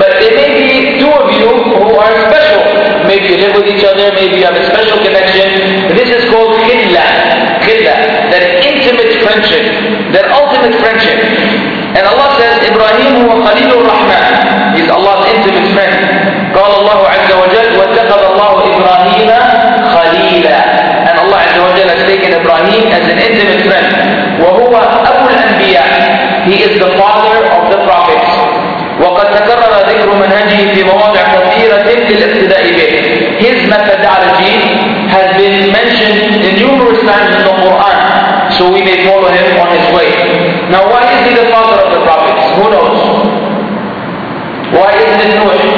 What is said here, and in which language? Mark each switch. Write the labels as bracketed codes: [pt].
[en] But there may be two of you who are special. Maybe you live with each other, maybe you have a special connection. This is called khilla. Khilla. That intimate friendship. That ultimate friendship. And Allah says, [ar] Ibrahim huwa Khalilur Rahman. [en] He's Allah's intimate friend. [ar] قال الله عز وجل واتخذ الله إبراهيم خليلا. [en] And Allah [ar] عز وجل [en] has taken Ibrahim as an intimate friend. [ar] وهو أبو الأنبياء. [en] He is the father of the prophets. [ar] وقد تكرر ذكر منهجه في مواضع كثيرة للابتداء به. [en] His methodology has been mentioned in numerous times in the Quran. So we may follow him on his way. Now why is he the father of the prophets? Who knows? Why is it Nuh?